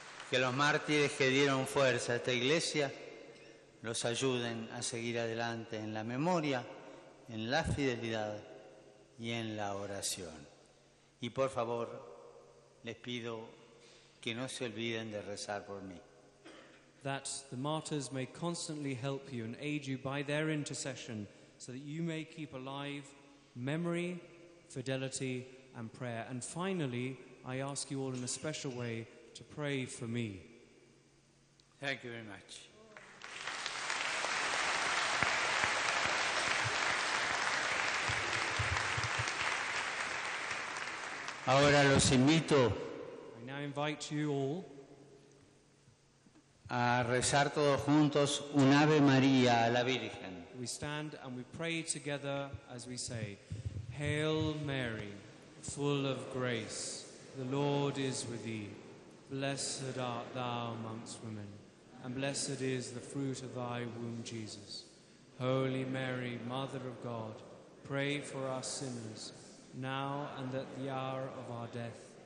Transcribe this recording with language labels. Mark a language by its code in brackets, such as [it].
[es] Que los mártires que dieron fuerza a esta iglesia los ayuden a seguir adelante en la memoria, en la fidelidad y en la oración. Y por favor, les pido que no se olviden de rezar por mí. [en] That the martyrs may constantly help you and aid you by their intercession, so that you may keep alive memory, fidelity, and prayer. And finally, I ask you all in a special way to pray for me. Thank you very much. [es] Ahora los invito. [en] I now invite you all [es] a rezar todos juntos un Ave María a la Virgen. [en] We stand and we pray together as we say, Hail Mary, full of grace, the Lord is with thee. Blessed art thou amongst women, and blessed is the fruit of thy womb, Jesus. Holy Mary, Mother of God, pray for us sinners, now and at the hour of our death.